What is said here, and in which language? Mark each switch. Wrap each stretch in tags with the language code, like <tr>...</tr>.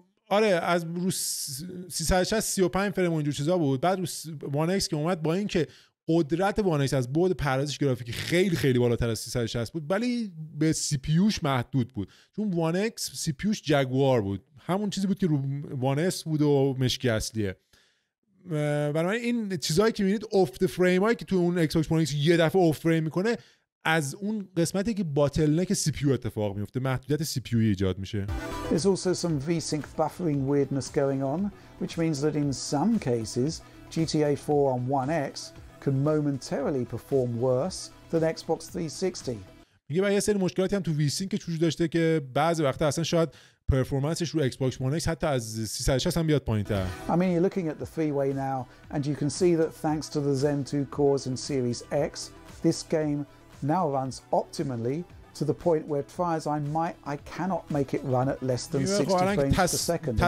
<fa>آره از رو 360 35 فریم اونجور چیزا بود، بعد رو One X که اومد با این که قدرت وانش از بعد پردازش گرافیکی خیلی خیلی بالاتر از 360 بود، ولی به سی پی یوش محدود بود، چون وان اکس سی پی یوش جگوار بود، همون چیزی بود که رو وان اس بود و مشکی اصلیه. برای من این چیزایی که می‌بینید افت فریم هایی که تو اون ایکس باکس یه دفعه افت فریم می‌کنه از اون قسمتی که باتل نک سی پی یو اتفاق میفته، محدودیت سی پی یو ایجاد میشه.</fa> <en>There's also some V-Sync buffering weirdness going on, which means that in some cases GTA 4 on One X can momentarily perform worse than Xbox 360.</en> <fa>میگه یه سری مشکلاتی هم تو V-Sync که وجود داشته که بعضی وقتا اصلا شاید پرفورمنسش رو Xbox One X حتی از 360 هم بیاد پایین‌تر.</fa> <en>I mean, you're looking at the three-way now and you can see that thanks to the Zen 2 cores and Series X, this game now runs optimally to the point where tries I cannot make it run at less than 60 frames per second.</en>